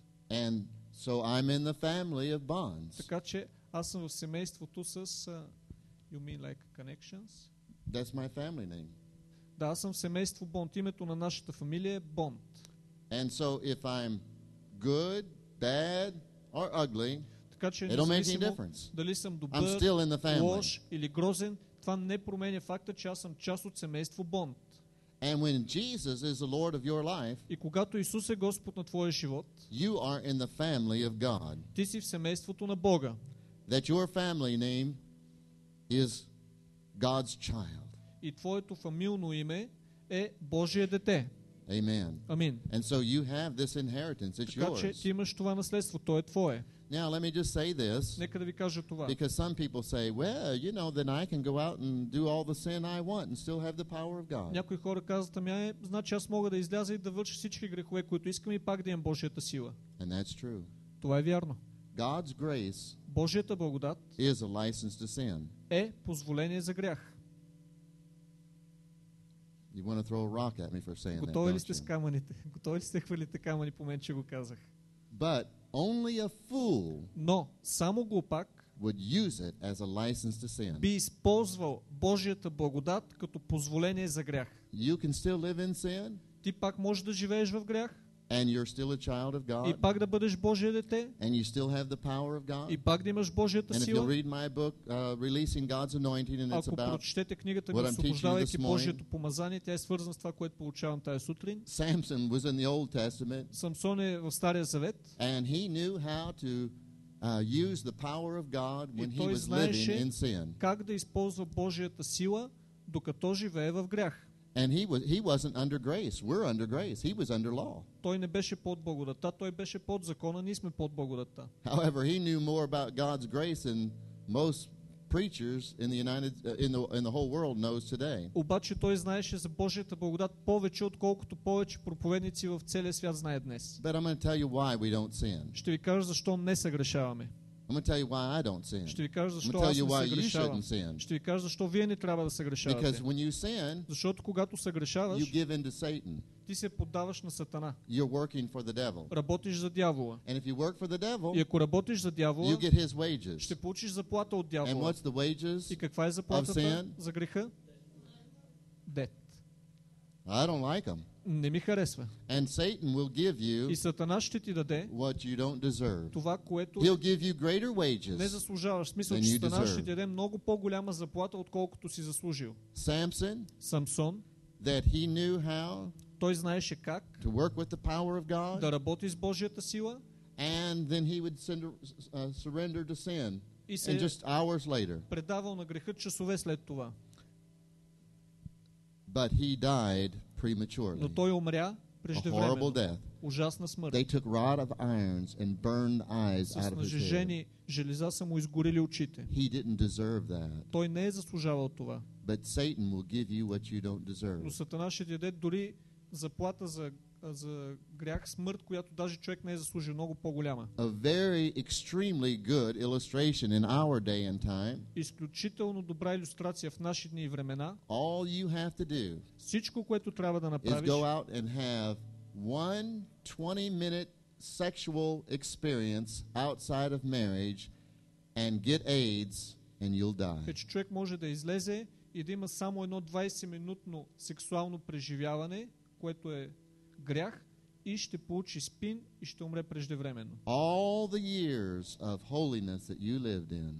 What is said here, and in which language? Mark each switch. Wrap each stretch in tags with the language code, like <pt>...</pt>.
<en>And so I'm in the family of Bonds.</en> <bg>Така че аз съм в семейството с</bg> <en>you mean like connections? That's my family name.</en> <bg>Да, аз съм в семейство Бонд. Името на нашата фамилия е Бонд.</bg> <en>And so if I'm good, bad or ugly,</en> <bg>така че</bg> <en>it don't make any difference.</en> <bg>Дали съм добър,</bg> <en>I'm still in the family.</en> <bg>Лош или грозен, това не променя факта, че аз съм част от семейство Бонд.</bg> <en>And when Jesus is the Lord of your life,</en> <bg>и когато Исус е Господ на твоя живот,</bg> <en>you are in the family of God.</en> <bg>Ти си в семейството на Бога.</bg> <en>That your family name is God's child.</en> <bg>И твоето фамилно име е Божие дете.</bg> <en>Amen. Amen. And so you have this inheritance. It's yours.</en> <bg>Така че ти имаш това наследство, то е твое.</bg> <en>Now let me just say this.</en> <bg>Нека да ви кажа това.</bg> <en>Because some people say, well, you know, then I can go out and do all the sin I want and still have the power of God.</en> <bg>Някои хора казват, значи аз мога да изляза и да върша всички грехове, които искам и пак да имам Божията сила.</bg> <en>And that's true.</en> <bg>Това е вярно.</bg> <en>God's grace.</en> <bg>Божията благодат</bg> <en>is a license to sin.</en> <bg>Е позволение за грях.</bg> <en>You want to throw a rock at me for saying</en> <bg>Готови that? Ли сте с камъните? Готови ли сте хвърлите камъни по мен, че го казах?</bg> <en>But only a fool</en> <bg>Но само глупак</bg> <en>would use it as a license to sin.</en> <bg>Би използвал Божията благодат като позволение за грях.</bg> <en>You can still live in sin?</en> <bg>Ти пак можеш да живееш в грях?</bg> <en>And you're still a child of God?</en> <bg>И пак да бъдеш Божие дете?</bg> <en>And you still have the power of God?</en> <bg>И пак да имаш Божията сила?</bg> <en>And if you'll read my book, Releasing God's Anointing, and it's</en> <bg>Ако</bg> <en>about</en> <bg>прочетете книгата Освобождавайки Божието помазание, тя е свързана с това, което получавам тази сутрин.</bg> <en>Samson was in the Old Testament.</en> <bg>Самсон е в Стария завет.</bg> <en>And he knew how to use the power of God when he was living in sin.</en> <bg>Как да използва Божията сила, докато живее в грях?</bg> <en>And he wasn't under grace. We're under grace. He was under law.</en> <bg>Той не беше под благодата, той беше под закона, ние сме под благодата.</bg> <en>However, he knew more about God's grace than most preachers in the whole world knows today.</en> <bg>Обаче той знаеше за Божията благодат повече отколкото повече проповедници в целия свят знаят днес.</bg> <en>But I'm going to tell you why we don't sin.</en> <bg>Ще ви кажа защо не съгрешаваме.</bg> <en>I'm going to tell you why I don't sin.</en> <bg>Ще ви кажа защо аз не съгрешавам.</bg> <en>You shouldn't sin.</en> <bg>Ще ви кажа защо вие не трябва да съгрешавате.</bg> <en>Because when you sin,</en> <bg>защото когато съгрешаваш,</bg> <en>you give in to Satan.</en> <bg>Ти се поддаваш на Сатана.</bg> <en>You're working for the devil.</en> <bg>Работиш за дявола.</bg> <en>And if you work for the devil,</en> <bg>и ако работиш за дявола,</bg> <en>you get his wages.</en> <bg>Ще получиш заплата от дявола.</bg> <en>And what's the wages?</en> <bg>И каква е заплатата за греха?</bg> <en>Дет. I don't like him.</en> <bg>Не ми харесва.</bg> <en>And Satan will give you</en> <bg>И Сатана ще ти даде</bg> <en>what you don't deserve.</en> <bg>Това, което</bg> <en>He'll give you greater wages</en> <bg>не заслужаваш. В смисъл, че Сатана ще ти даде много по-голяма заплата, отколкото си заслужил.</bg> <en>Samson,</en> <bg>Самсон,</bg> <en>that he knew how</en> <bg>той знаеше как</bg> <en>to work with the power of God,</en> <bg>да работи с Божията сила</bg> <en>and then he would surrender to sin,</en> <bg>и се</bg> <en>and just hours later.</en> <bg>Предавал на греха часове след това.</bg> <en>But he died prematurely.</en> <bg>Но той умря преждевременно.</bg> <en>A horrible death.</en> <bg>Ужасна смърт.</bg> <en>They took rod of irons and burned eyes out of his head.</en> <bg>С нажежени железа са му изгорели очите.</bg> <en>He didn't deserve that.</en> <bg>Той не е заслужавал това.</bg> <en>But Satan will give you what you don't deserve.</en> <bg>Но Сатана ще ти даде дори заплата за грях, смърт, която даже човек не е заслужил, много по-голяма.</bg> <en>A very extremely good illustration in our day and time.</en> <bg>Изключително добра илюстрация в наши дни и времена.</bg> <en>All you have to do.</en> <bg>Всичко, което трябва да направиш,</bg> <en>is go out and have one 20-minute sexual experience outside of marriage and get AIDS and you'll die.</en> <bg>Че човек може да излезе и да има само едно 20-минутно сексуално преживяване, което е грях и ще получи спин и ще умре преждевременно.</bg> <en>All the years of holiness that you lived in.</en>